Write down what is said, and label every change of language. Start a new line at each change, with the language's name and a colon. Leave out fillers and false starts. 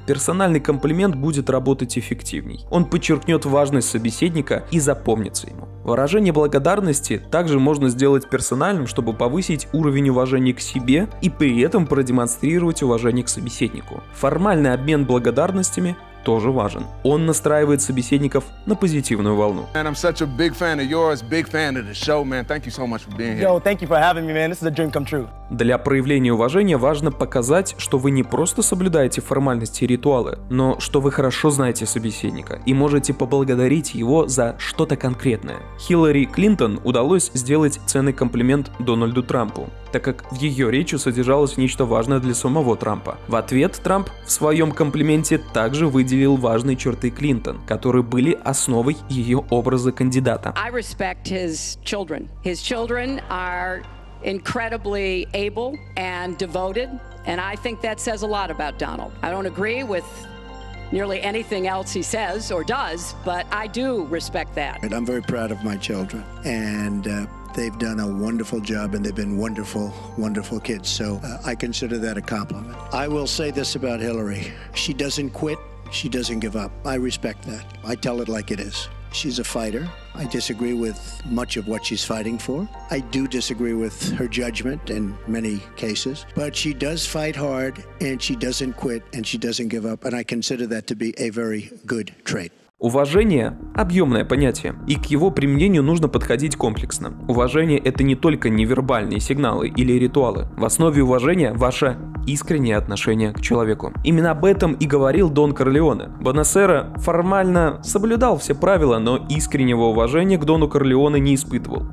Russian: Персональный комплимент будет работать эффективней. Он подчеркнет важность собеседника и запомнится ему. Выражение благодарности также можно сделать персональным, чтобы повысить уровень уважения к себе и при этом продемонстрировать уважение к собеседнику. Формальный обмен благодарностями – тоже важен. Он настраивает собеседников на позитивную волну.
English: Man, I'm such a big fan of yours, big fan of the show, man. Thank you so much for being here. Yo, thank you for having me, man. This is a dream come true.
Russian: Для проявления уважения важно показать, что вы не просто соблюдаете формальности и ритуалы, но что вы хорошо знаете собеседника и можете поблагодарить его за что-то конкретное. Хиллари Клинтон удалось сделать ценный комплимент Дональду Трампу, так как в ее речи содержалось нечто важное для самого Трампа. В ответ Трамп в своем комплименте также выделил важные черты Клинтон, которые были основой ее образа кандидата.
English: I respect his children. His children are incredibly able and devoted, and I think that says a lot about Donald. I don't agree with nearly anything else he says or does, but I do respect that. And I'm very proud of my children, and they've done a wonderful job, and they've been wonderful, wonderful kids, so I consider that a compliment. I will say this about Hillary. She doesn't quit, she doesn't give up. I respect that. I tell it like it is. She's a fighter. I disagree with much of what she's fighting for. I do disagree with her judgment in many cases. But she does fight hard, and she doesn't quit, and she doesn't give up. And I consider that to be a very good trait.
Russian: Уважение – объемное понятие, и к его применению нужно подходить комплексно. Уважение – это не только невербальные сигналы или ритуалы. В основе уважения – ваше искреннее отношение к человеку. Именно об этом и говорил Дон Корлеоне. Бонасера формально соблюдал все правила, но искреннего уважения к Дону Корлеоне не испытывал.